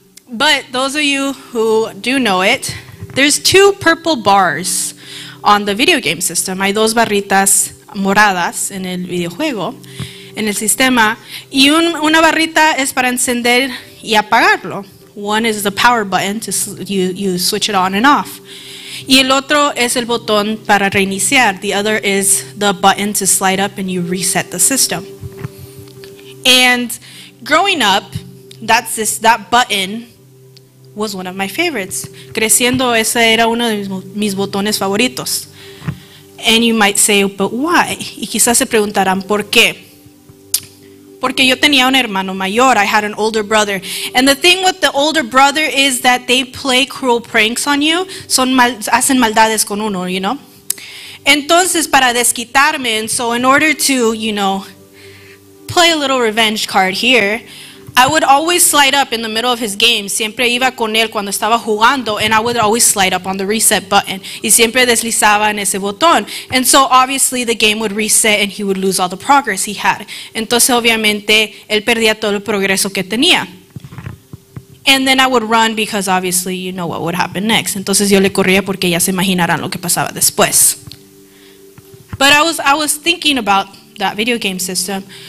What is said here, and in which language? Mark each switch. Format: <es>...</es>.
<en>But those of you who do know it, there's two purple bars on the video game system.</en> <es>Hay dos barritas moradas en el videojuego, en el sistema. Y una barrita es para encender y apagarlo.</es> <en>One is the power button, to you switch it on and off.</en> <es>Y el otro es el botón para reiniciar.</es> <en>The other is the button to slide up and you reset the system. And growing up, that button was one of my favorites.</en> <es>Creciendo, ese era uno de mis botones favoritos.</es> <en>And you might say, but why?</en> <es>Y quizás se preguntarán, ¿por qué? Porque yo tenía un hermano mayor.</es> <en>I had an older brother. And the thing with the older brother is that they play cruel pranks on you.</en> <es>Hacen maldades con uno,</es> <en>you know?</en> <es>Entonces, para desquitarme,</es> <en>and so in order to, you know, play a little revenge card here, I would always slide up in the middle of his game.</en> <es>Siempre iba con él cuando estaba jugando,</es> <en>and I would always slide up on the reset button.</en> <es>Y siempre deslizaba en ese botón.</es> <en>And so, obviously, the game would reset, and he would lose all the progress he had.</en> <es>Entonces, obviamente, él perdía todo el progreso que tenía.</es> <en>And then I would run because, obviously, you know what would happen next.</en> <es>Entonces, yo le corría porque ya se imaginarán lo que pasaba después.</es> <en>But I was thinking about that video game system.</en>